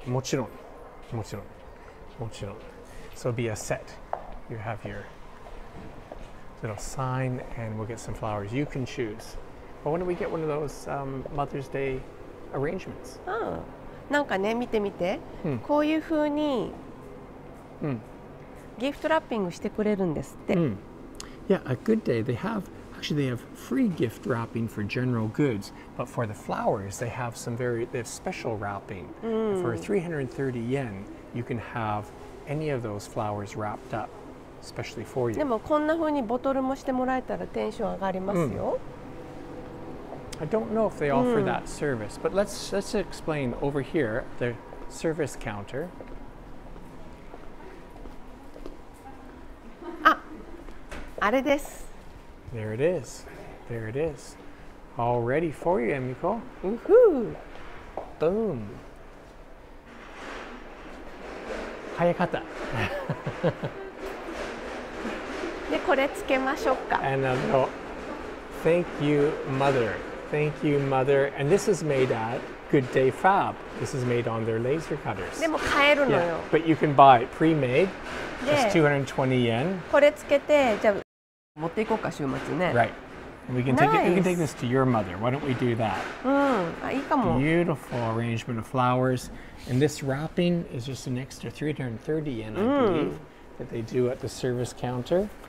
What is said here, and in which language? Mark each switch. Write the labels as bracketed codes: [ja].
[ja] もちろん、もちろん、もちろん。 [en] So be a set. You have your little sign, and we'll get some flowers. You can choose. But when do we get one of those Mother's Day arrangements? [ja] なんかね、見てみて。こういう風にギフトラッピングしてくれるんですって。 [en] Yeah, a good day. They have. Actually, they have free gift wrapping for general goods, but for the flowers, they have they have special wrapping. For 330 yen, you can have any of those flowers wrapped up, especially for you. [ja] でもこんな風にボトルもしてもらえたらテンション上がりますよ。 [en] I don't know if they offer that service, but let's explain over here the service counter. [ja] あれです。 [en] There it is. There it is. All ready for you, Emiko. Woohoo! Boom! [ja] 早かった。で、これつけましょうか。 [en] And a little thank you, mother. Thank you, mother. And this is made at GooDay Fab. This is made on their laser cutters. [ja] でも買えるのよ。 [en] Yeah, but you can buy it pre-made. Just 220 yen. [ja] これつけて、じゃあ持っていこうか週末ね。 [en] Right. We can take it. We can take this to your mother. Why don't we do that? [ja] いいかも。 [en] Beautiful arrangement of flowers. And this wrapping is just an extra 330 yen, I believe, that they do at the service counter.